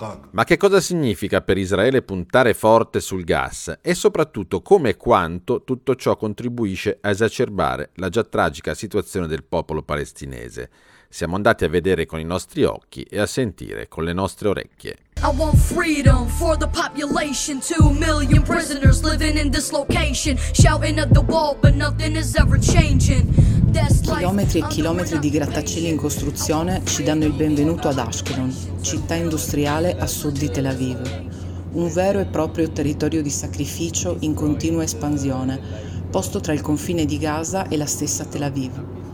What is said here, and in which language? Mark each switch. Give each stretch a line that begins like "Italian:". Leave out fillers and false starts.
Italian: Ma che cosa significa per Israele puntare forte sul gas? E soprattutto come e quanto tutto ciò contribuisce a esacerbare la già tragica situazione del popolo palestinese? Siamo andati a vedere con i nostri occhi e a sentire con le nostre orecchie.
English: I want freedom for the population. 2 million prisoners living in this location. Shouting at the wall, but nothing is ever changing.
Italian: Chilometri e chilometri di grattacieli in costruzione ci danno il benvenuto ad Ashkelon, città industriale a sud di Tel Aviv. Un vero e proprio territorio di sacrificio in continua espansione, posto tra il confine di Gaza e la stessa Tel Aviv.